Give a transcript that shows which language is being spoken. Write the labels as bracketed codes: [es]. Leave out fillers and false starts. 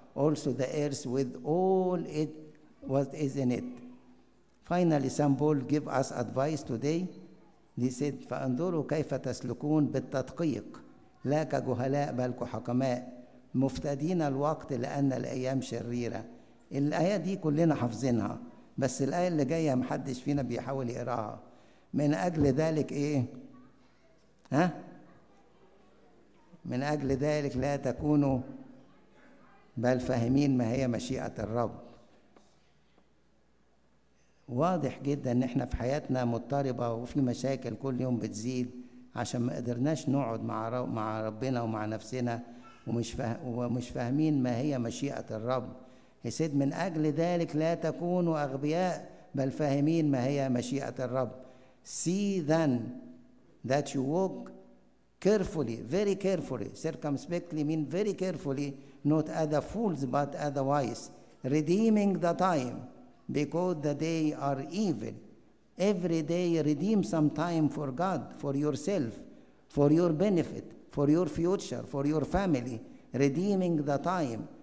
[en] Also the earth with all it what is in it. Finally, St. Paul give us advice today. He said, [ar] فانظروا كيف تسلكون بالتدقيق لا كجهلاء بل كحكماء مفتدين الوقت لأن الأيام شريرة. الآية دي كلنا حافظينها، بس الآية اللي جاية محدش فينا بيحاول يقراها. من أجل ذلك إيه؟ ها؟ من أجل ذلك لا تكونوا بل فاهمين ما هي مشيئة الرب. واضح جدا ان احنا في حياتنا مضطربة وفي مشاكل كل يوم بتزيد عشان ما قدرناش نقعد مع ربنا ومع نفسنا ومش فاهمين ما هي مشيئة الرب. يسيد من اجل ذلك لا تكونوا اغبياء بل فاهمين ما هي مشيئة الرب. [en] See then that you walk carefully, very carefully, circumspectly mean very carefully, not as the fools but as the wise, redeeming the time because the day are evil. Every day redeem some time for God, for yourself, for your benefit, for your future, for your family, redeeming the time.